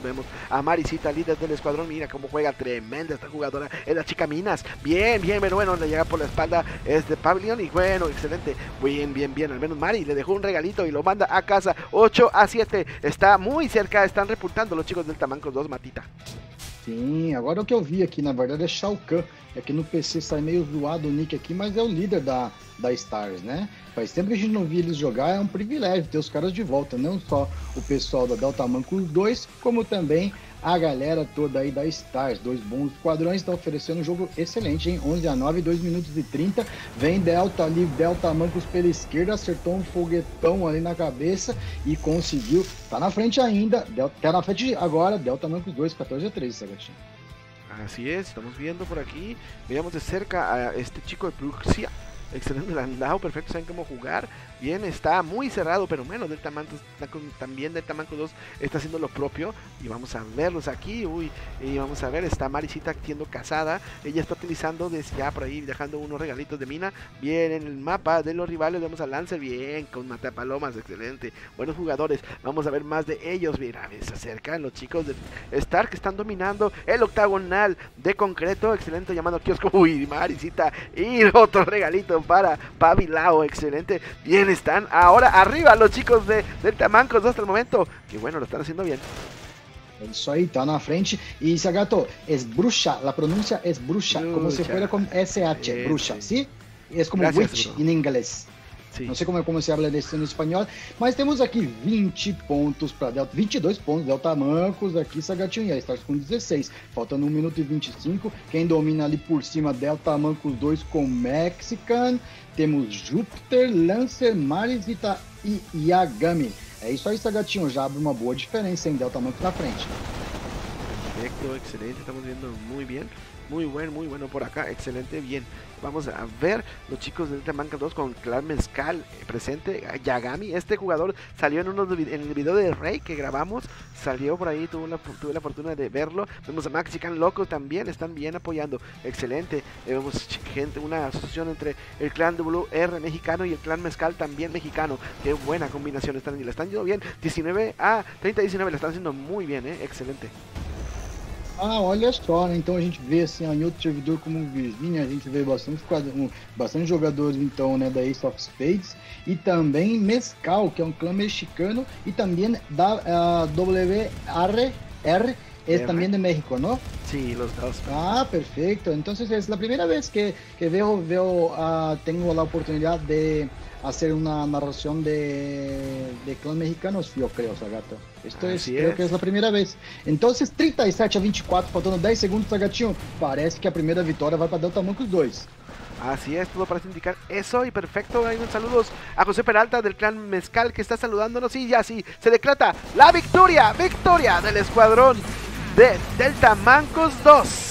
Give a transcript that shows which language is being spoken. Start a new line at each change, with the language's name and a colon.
Spanish: Vemos a Marisita, líder del escuadrón. Mira cómo juega, tremenda esta jugadora. Es la chica Minas, bien, bien, pero bueno, le llega por la espalda este Pavilion. Y bueno, excelente, bien, bien, bien. Al menos Mari le dejó un regalito y lo manda a casa. 8-7, está muy cerca, están reportando los chicos de Delta Manco 2, Matita.
Portuguese: Sim, agora o que eu vi aqui, na verdade, é Shao Kahn. É que no PC sai meio zoado o Nick aqui, mas é o líder da Stars, né? Faz tempo que a gente não via eles jogar, é um privilégio ter os caras de volta. Não só o pessoal da Delta Mancos 2, como também a galera toda aí da Stars. Dois bons quadrões, tá oferecendo um jogo excelente, hein? 11 a 9, 2 minutos e 30. Vem Delta ali, Delta Mancos pela esquerda, acertou um foguetão ali na cabeça e conseguiu. Tá na frente ainda, tá na frente agora, Delta Mancos 2, 14 a 13, Sagatinho.
Spanish: Así es, estamos viendo por aquí, veamos de cerca a este chico de Bruxia, excelente landado, perfecto, saben cómo jugar, bien, está muy cerrado, pero bueno, Delta Mancos, también Delta Mancos 2 está haciendo lo propio, y vamos a verlos aquí, uy, y vamos a ver, está Marisita siendo cazada, ella está utilizando desde ya por ahí, dejando unos regalitos de mina, bien, en el mapa de los rivales, vemos a Lancer, bien, con Matapalomas, excelente, buenos jugadores, vamos a ver más de ellos, mira, se acercan los chicos de Stark, están dominando el octagonal de concreto, excelente, llamando a Kiosco, uy, Marisita, y otro regalito para Pabilao, excelente, bien. Están ahora arriba los chicos de Delta Mancos 2 hasta el momento. Que bueno, lo están haciendo bien. Eso ahí, está en la frente. Y Sagato, es Bruxa, la pronuncia es Bruxa, Lucha. Como si fuera con SH, Bruxa, ¿sí? Es como gracias, Witch en inglés. Sí.
Portuguese: Não sei como
Spanish: se habla
Portuguese: desse no espanhol, mas temos aqui 20 pontos para Delta, 22 pontos, Delta Mancos aqui, Sagatinho, e aí Stars com 16, faltando 1 minuto e 25, quem domina ali por cima, Delta Mancos 2 com Mexican, temos Júpiter, Lancer, Marisita e Yagami, é isso aí, Sagatinho, já abre uma boa diferença, hein, Delta Mancos na frente. Perfeito, excelente, estamos vendo muito bem.
Spanish: Muy bueno por acá, excelente, bien. Vamos a ver los chicos de Delta Mancos 2 con Clan Mezcal presente. Yagami, este jugador salió en el video de Rey que grabamos. Salió por ahí, tuve la fortuna de verlo. Vemos a Mexican Loco también, están bien apoyando. Excelente, vemos gente, una asociación entre el Clan WR mexicano y el Clan Mezcal también mexicano. Qué buena combinación, están, la están yendo bien. 19-19, la están haciendo muy bien, excelente.
Portuguese: Ah, olha só, né? Então a gente vê assim, em outro servidor como o Virginia, a gente vê bastante jogadores então, né, da Ace of Spades, e também Mezcal, que é um clã mexicano, e também da WRR, é também de México, não? Sim, sí, os dois. Ah, perfeito. Então é a primeira vez que tenho a oportunidade de fazer uma narração de clã mexicano, se eu creio, Sagato.
Spanish: Esto es, creo que es la primera vez. Entonces, 37 a 24, faltando 10 segundos, Sagatinho. Parece que la primera victoria va para Delta Mancos 2. Así es, todo parece indicar eso. Y perfecto, ahí un saludos a José Peralta del Clan Mezcal que está saludándonos. Y ya sí, se decreta la victoria, victoria del escuadrón de Delta Mancos 2.